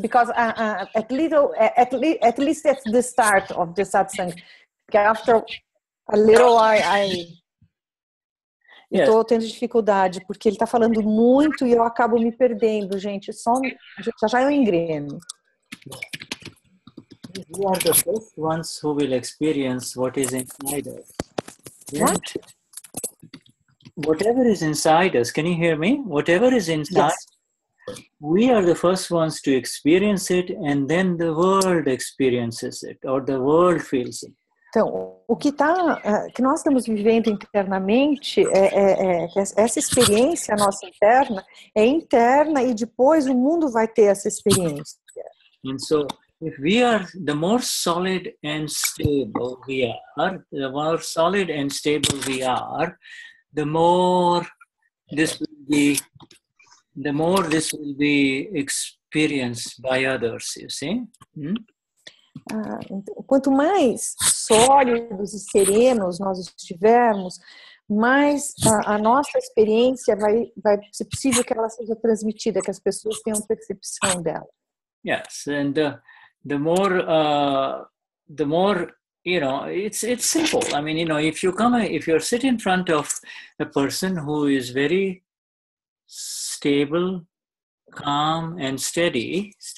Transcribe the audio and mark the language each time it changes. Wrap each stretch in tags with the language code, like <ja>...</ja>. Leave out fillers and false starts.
<en>Because at least at the start of the satsang, after a little, I yes.</en> <pt>Estou tendo dificuldade porque ele está falando muito e eu acabo me perdendo, gente. Só já eu engreno.</pt> <en>You are the first ones who will experience what is inside us. Yeah? What? Whatever is inside us, can you hear me? Whatever is inside, yes. We are the first ones to experience it, and then the world experiences it, or the world feels it.</en> <pt>Então, o que está, que nós estamos vivendo internamente, essa experiência nossa interna, é interna e depois o mundo vai ter essa experiência.</pt> <en>And so, if we are the more solid and stable we are, the more solid and stable we are, the more this will be, the more this will be experienced by others, you see? Hmm?</en> <pt>Então, quanto mais sólidos e serenos nós estivermos, mais a nossa experiência vai ser possível que ela seja transmitida, que as pessoas tenham percepção dela.</pt> <en>Yes, and the more, you know, it's simple. I mean, you know, if you're sitting in front of a person who is very stable, calm and steady.</en>